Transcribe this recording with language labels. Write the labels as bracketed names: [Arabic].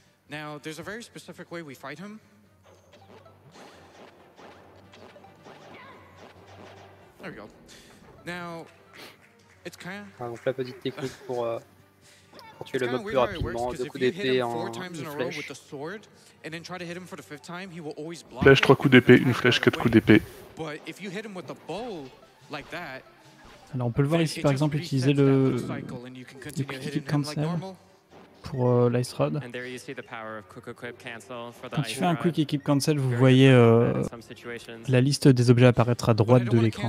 [English] Now, there's a very specific way we fight him. There we go. Now, it's kind of. [French] Ah, donc la petite technique pour tuer le mob plus rapidement, deux coups d'épée en une flèche. [English] And then try to hit him for the fifth time, he will always block. [French] Flèche 3 coups d'épée, une flèche 4 coups d'épée. [English] But if you hit him with a bow like that. [French] Alors on peut le voir ici, par exemple, utiliser le Quick Equip Cancel pour l'Ice Rod. Quand tu fais un Quick Equip Cancel, vous voyez la liste des objets apparaître à droite de l'écran.